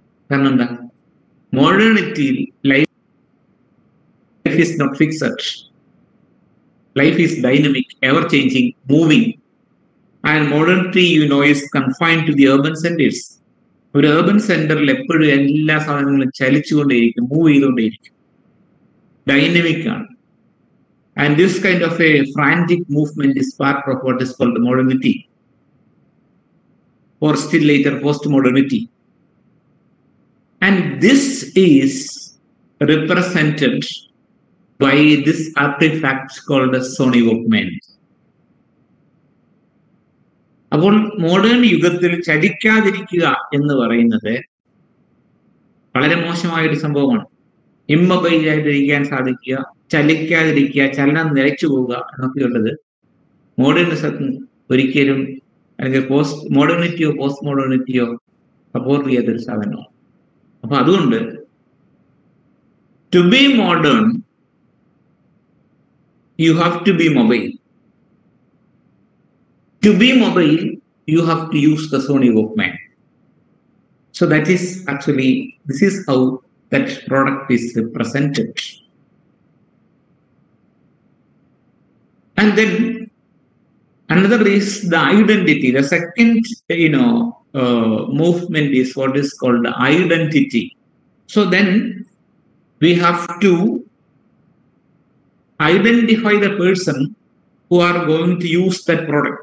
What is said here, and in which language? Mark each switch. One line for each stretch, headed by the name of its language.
Malayalam: കാരണം എന്താ,
English: Modernity life is not fixed, life is dynamic, ever changing, moving. And modernity you know is confined to the urban centres.
Malayalam: ഒരു urban സെന്ററിൽ എപ്പോഴും എല്ലാ സാധനങ്ങളും ചലിച്ചുകൊണ്ടേയിരിക്കും, move ചെയ്തുകൊണ്ടേയിരിക്കും, dynamic ആണ്.
English: And this kind of a frantic movement is part of what is called modernity, or still later postmodernity. And this is represented by this artifact called the Sony Walkman.
Malayalam: അപ്പോൾ modern യുഗത്തിൽ ചലിക്കാതിരിക്കുക എന്ന് പറയുന്നത് വളരെ മോശമായൊരു സംഭവമാണ്. ഇമ്മൊബൈലായിട്ടിരിക്കാൻ സാധിക്കുക, ചലിക്കാതിരിക്കുക, ചലനം നിലച്ചു പോവുക എന്നൊക്കെയുള്ളത് മോഡേണിസം ഒരിക്കലും അല്ലെങ്കിൽ പോസ്റ്റ് മോഡേണിറ്റിയോ പോസ്റ്റ് മോഡേണിറ്റിയോ സപ്പോർട്ട് ചെയ്യാത്തൊരു സാധനമാണ്. അപ്പൊ അതുകൊണ്ട്
English: To be modern you have to be mobile, to be mobile you have to use the Sony Walkman. So that is actually this is how that product is presented. And then another is the identity. The second, you know, movement is what is called identity. So then we have to identify the person who are going to use that product.